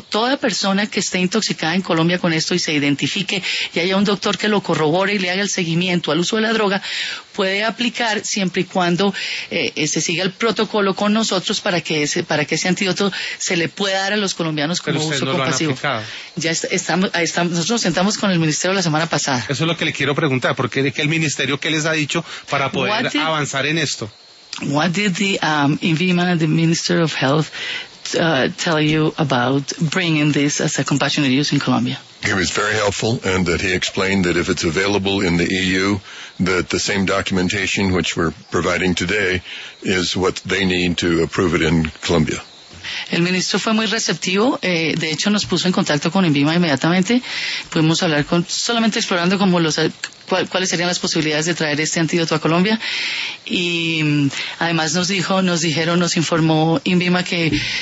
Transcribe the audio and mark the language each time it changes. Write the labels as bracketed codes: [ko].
[es] Toda persona que esté intoxicada en Colombia con esto y se identifique y haya un doctor que lo corrobore y le haga el seguimiento al uso de la droga, puede aplicar siempre y cuando se siga el protocolo con nosotros para que ese antídoto se le pueda dar a los colombianos como pero uso no compasivo. Lo han aplicado. Ya estamos, nosotros nos sentamos con el ministerio la semana pasada. Eso es lo que le quiero preguntar, porque de qué el ministerio qué les ha dicho para poder avanzar en esto. [en] What did the INVIMA, the Minister of Health, tell you about bringing this as a compassionate use in Colombia? He was very helpful, and that he explained that if it's available in the EU, that the same documentation which we're providing today is what they need to approve it in Colombia. [es] El ministro fue muy receptivo, de hecho nos puso en contacto con INVIMA inmediatamente, pudimos hablar con, solamente explorando como cuáles serían las posibilidades de traer este antídoto a Colombia, y además nos informó INVIMA que